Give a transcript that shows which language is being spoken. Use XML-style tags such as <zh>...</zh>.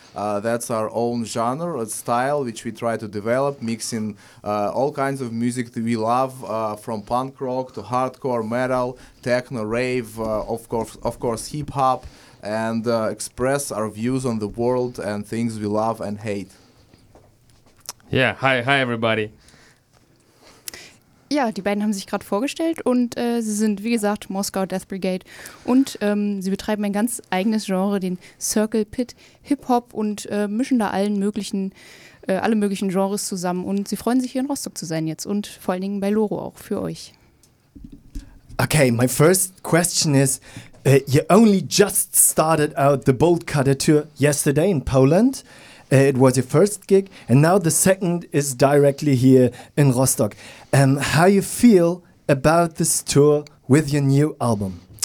<en>That's our own genre, a style which we try to develop, mixing all kinds of music that we love, from punk rock to hardcore, metal, techno, rave, of course hip-hop, and express our views on the world and things we love and hate. Yeah, hi everybody.</en> <de>Ja, die beiden haben sich gerade vorgestellt und sie sind, wie gesagt, Moscow Death Brigade und sie betreiben ein ganz eigenes Genre, den Circle Pit Hip-Hop und mischen da alle möglichen Genres zusammen und sie freuen sich, hier in Rostock zu sein jetzt und vor allen Dingen bei Loro auch für euch.</de> <en>Okay, my first question is, you only just started out the Bolt Cutter Tour yesterday in Poland. It was your first gig, and now the second is directly here in Rostock. How you feel about this tour with your new album?</en>